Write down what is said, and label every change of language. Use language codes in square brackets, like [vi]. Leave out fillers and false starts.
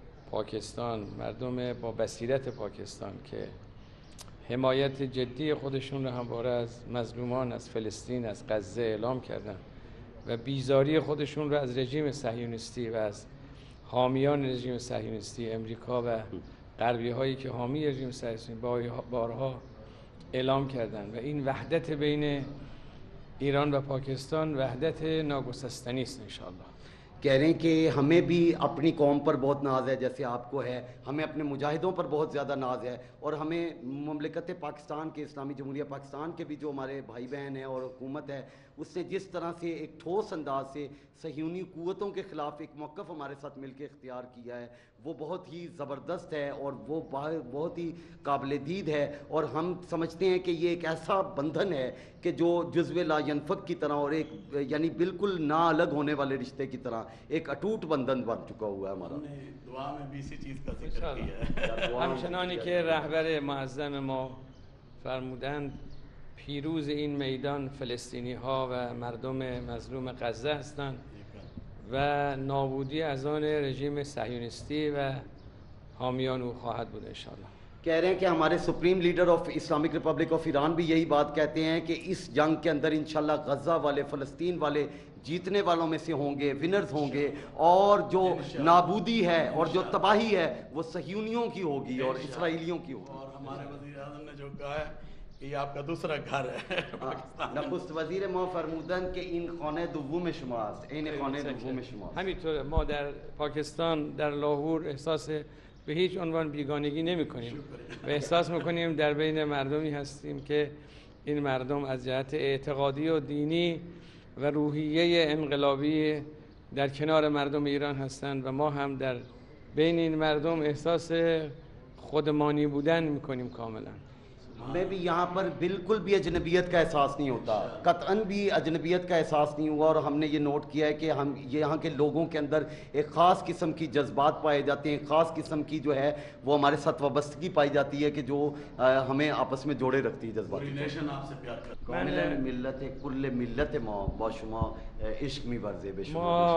[fa] پاکستان، مردم با بصیرت پاکستان که حمایت جدی خودشون رو همواره از مظلومان از فلسطین از غزه اعلام کردن و بیزاری خودشون رو از رژیم صهیونیستی و از حامیان رژیم صهیونیستی امریکا و غربی هایی که حامی رژیم صهیونیستی بارها اعلام کردن، و این وحدت بین ایران و پاکستان وحدت ناگسستنی است انشاءالله. [ur] کہہ رہے ہیں کہ ہمیں بھی اپنی قوم پر بہت ناز ہے، جیسے آپ کو ہے، ہمیں اپنے مجاہدوں پر بہت زیادہ ناز ہے، اور ہمیں مملکت پاکستان کے، اسلامی جمہوریہ پاکستان کے بھی جو ہمارے بھائی بہن ہیں اور حکومت ہے، اس نے جس طرح سے ایک ٹھوس انداز سے صہیونی قوتوں کے خلاف ایک موقف ہمارے ساتھ مل کے اختیار کیا ہے، وہ بہت ہی زبردست ہے اور وہ بہت ہی قابل دید ہے، اور ہم سمجھتے ہیں کہ یہ ایک ایسا بندھن ہے کہ جو جزو لا ینفک کی طرح اور ایک یعنی بالکل نا الگ ہونے والے رشتے کی طرح ایک اٹوٹ بندھن بن چکا ہوا ہے ہمارا۔ ہم نے دعا میں بھی اسی چیز کا ذکر کیا ہے، [fa] ہمچنانی کہ رہبر معظم ما فرمودند پیروز این میدان فلسطینی ها و مردم مظلوم غزه هستند و نابودی از آن رژیم صهیونیستی و حامیان او خواهد بود انشاءالله. [ur] کہہ رہے ہیں کہ ہمارے supreme leader of Islamic republic of Iran بھی یہی بات کہتے ہیں کہ اس جنگ کے اندر انشاءاللہ غزہ والے، فلسطین والے جیتنے والوں میں سے ہوں گے، ونرز ہوں گے، اور جو نابودی ہے اور جو تباہی ہے وہ صہیونیوں کی ہوگی اور اسرائیلیوں کی ہوگی۔ اور ہمارے وزیراعظم نے جو کہا ہے کہ یہ آپ کا دوسرا گھر ہے پاکستان، [fa] نخست وزیر ما فرمودن کہ ان خانے دوم شما است، این خانے دوم شما است، همینطور ما در پاکستان در لاہور احساس به هیچ عنوان بیگانگی نمی کنیم و احساس میکنیم در بین مردمی هستیم که این مردم از جهت اعتقادی و دینی و روحیه انقلابی در کنار مردم ایران هستند، و ما هم در بین این مردم احساس خودمانی بودن میکنیم کاملا. [ur] میں بھی یہاں پر بالکل بھی اجنبیت کا احساس نہیں ہوتا، قطعاً بھی اجنبیت کا احساس نہیں ہوا، اور ہم نے یہ نوٹ کیا ہے کہ ہم یہاں کے لوگوں کے اندر ایک خاص قسم کی جذبات پائے جاتے ہیں، خاص قسم کی جو ہے وہ ہمارے ساتھ وابستگی پائی جاتی ہے کہ جو ہمیں آپس میں جوڑے رکھتی ہے جذبات۔ [fa] ملت کل ملت ماں با شما عشق می ورزے بے شما۔